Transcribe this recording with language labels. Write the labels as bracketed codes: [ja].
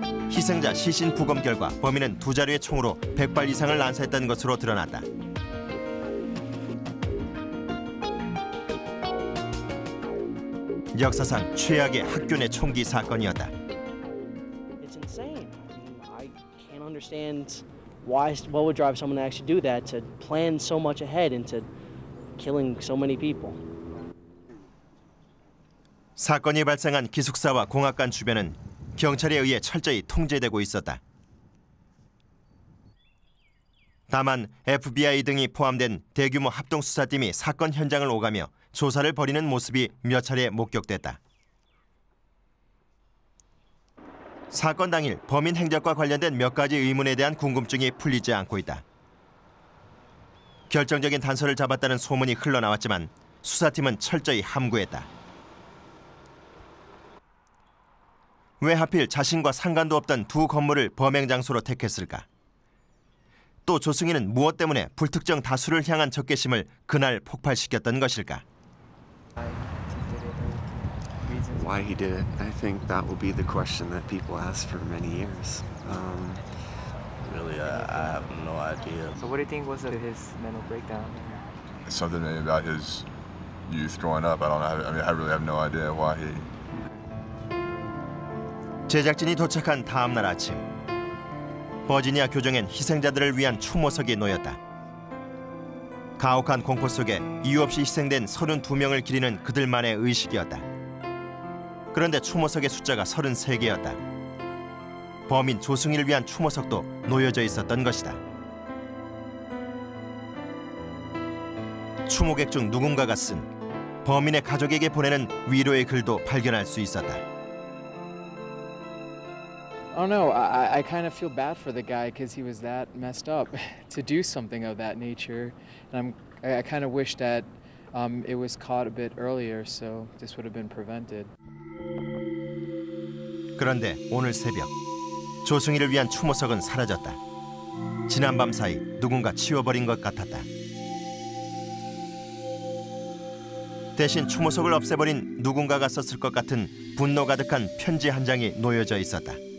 [ko] 희생자 시신 부검 결과 범인은 두 자루의 총으로 100발 이상을 난사했다는 것으로 드러났다. 역사상 최악의 학교 내 총기 사건이었다. [en] It's insane. I can't understand why what would drive someone to actually do that to plan so much ahead into killing so many people. [ko] 사건이 발생한 기숙사와 공학관 주변은 경찰에 의해 철저히 통제되고 있었다. 다만 FBI 등이 포함된 대규모 합동수사팀이 사건 현장을 오가며 조사를 벌이는 모습이 몇 차례 목격됐다. 사건 당일 범인 행적과 관련된 몇 가지 의문에 대한 궁금증이 풀리지 않고 있다. 결정적인 단서를 잡았다는 소문이 흘러나왔지만 수사팀은 철저히 함구했다. 왜 하필 자신과 상관도 없던 두 건물을 범행 장소로 택했을까? 또 조승희는 무엇 때문에 불특정 다수를 향한 적개심을 그날 폭발시켰던 것일까? [en] Why he did it? I think that will be the question that people ask for many years. Really, I have no idea. So what do you think was his mental breakdown? Something maybe about his youth growing up. I don't know. I mean, I really have no idea why he. [ko] 제작진이 도착한 다음 날 아침, 버지니아 교정엔 희생자들을 위한 추모석이 놓였다. 가혹한 공포 속에 이유 없이 희생된 32명을 기리는 그들만의 의식이었다. 그런데 추모석의 숫자가 33개였다. 범인 조승희를 위한 추모석도 놓여져 있었던 것이다. 추모객 중 누군가가 쓴 범인의 가족에게 보내는 위로의 글도 발견할 수 있었다. [en] I don't know. I kind of feel bad for the guy because he was that messed up to do something of that nature. And I kind of wish that it was caught a bit earlier so this would have been prevented. [ko] 그런데 오늘 새벽 조승희를 위한 추모석은 사라졌다. 지난 밤 사이 누군가 치워버린 것 같았다. 대신 추모석을 없애버린 누군가가 썼을 것 같은 분노 가득한 편지 한 장이 놓여져 있었다.